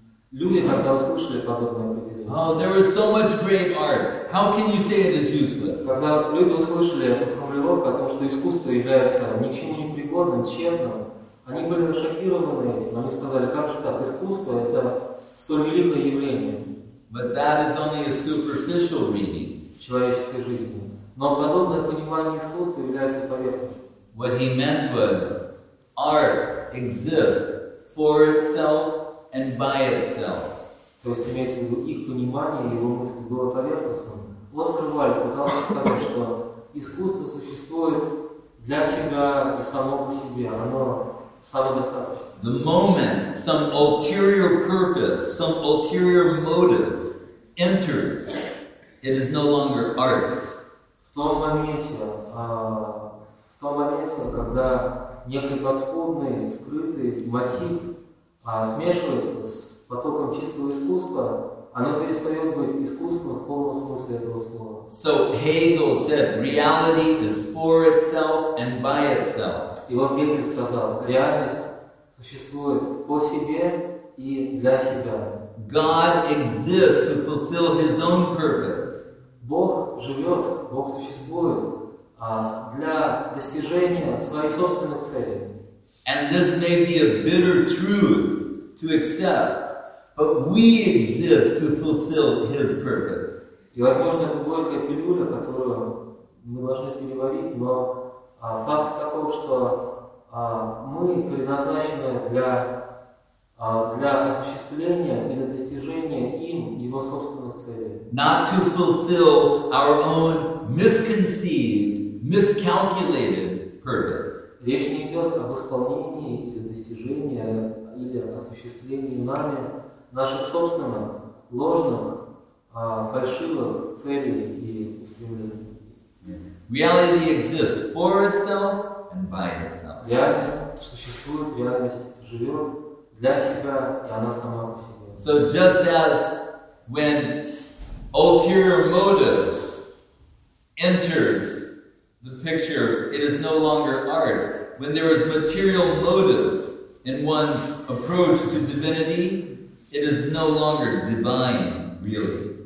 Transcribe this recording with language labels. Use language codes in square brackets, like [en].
[ru] Люди тогда услышали подобное определение. [en] Oh, there is so much great art. How can you say it is useless? [ru] Когда люди услышали эту формулировку о том, что искусство является ни к чему не пригодным, тщетным, они были шокированы этим. Они сказали, как же так, искусство это столь великое явление. [en] But that is only a superficial reading. [ru] В человеческой жизни. Но подобное понимание искусства является поверхностным. [en] What he meant was, art exists for itself and by itself. [ru] То есть имеется в виду их понимание, его мысль была поверхностным. Оскар Вальд пытался сказать, что искусство существует для себя и само по себе. Оно самодостаточно. [en] The moment some ulterior purpose, some ulterior motive enters, it is no longer art. [ru] В том когда некий подспудный, скрытый мотив смешивается с потоком чистого искусства, оно перестает быть искусством в полном смысле этого слова. [en] So Hegel said, reality is for itself and by itself. [ru] И вот Гегель сказал, реальность существует по себе и для себя. [en] God exists to fulfill his own purpose. [ru] Бог живет, Бог существует для достижения своих собственных целей. [en] And this may be a bitter truth to accept, but we exist to fulfill his purpose. [ru] И, возможно, это горькая пилюля, которую мы должны переварить, но факт такой, что мы предназначены для осуществления и для достижения им его собственных целей. [en] Not to fulfill our own misconceived, miscalculated purpose. [ru] Речь не идет об исполнении или достижении или осуществлении нами наших собственных ложных, фальшивых целей и устремлений. [en] Reality exists for itself and by itself. [ru] Реальность существует, реальность живет для себя, и она сама по себе. [en] So just as when ulterior motives enters the picture, it is no longer art. When there is material motive in one's approach to divinity, it is no longer divine, really.